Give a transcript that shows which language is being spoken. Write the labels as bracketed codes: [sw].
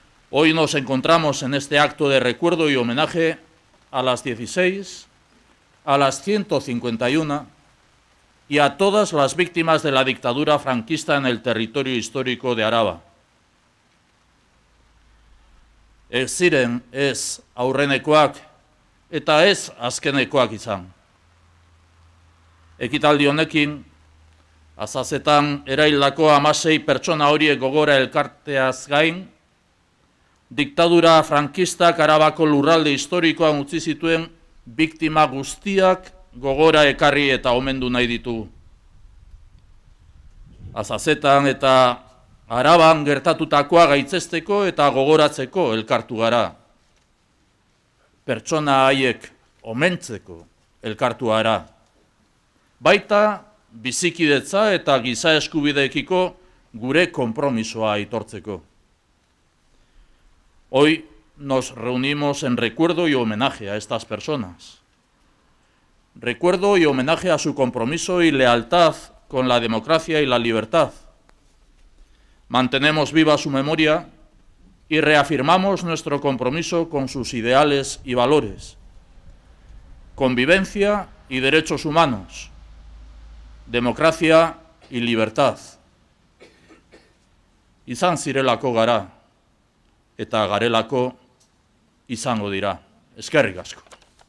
[es] Hoy nos encontramos en este acto de recuerdo y homenaje a las 16, a las 151 y a todas las víctimas de la dictadura franquista en el territorio histórico de Araba. [eu] Ez ziren ez aurrenekoak eta ez azkenekoak izan. Ekitaldi honekin, Azazetan eraildako 16 pertsona horiek gogora elkarteaz gain, diktadura frankistak Arabako lurralde historikoan utzi zituen biktima guztiak gogora ekarri eta omendu nahi ditugu. Azazetan eta Araban gertatutakoa gaitzesteko eta gogoratzeko elkartu gara. Pertsona haiek omentzeko elkartu gara. Baita bizikidetza eta giza eskubideekiko gure konpromisoa aitortzeko. [es] Hoy nos reunimos en recuerdo y homenaje a estas personas. Recuerdo y homenaje a su compromiso y lealtad con la democracia y la libertad. Mantenemos viva su memoria y reafirmamos nuestro compromiso con sus ideales y valores. Convivencia y derechos humanos. Democracia y libertad. [eu] Izan zirelako gara, eta garelako izango dira. Eskerrik asko.